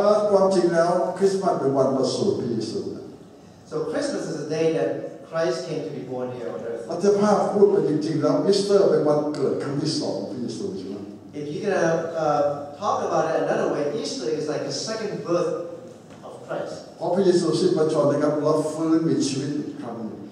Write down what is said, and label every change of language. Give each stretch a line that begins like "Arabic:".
Thai: ความจริงแล้วคริสต์มาสเป็นวันประสูติพระเยซู
English: So Christmas is the day that Christ came to be born here on earth.
Thai: ถ้าภาพพูดเป็นจริงๆแล้วอีสเตอร์เป็นวันเกิดครั้งที่สองพระเยซูใช่ไหม
English: If you're gonna talk about it another way, Easter is like the second birth of Christ.
Thai: เพราะพระเยซูสิ้นพระชนม์นะครับแล้วฟื้นมีชีวิตครั้งหนึ่ง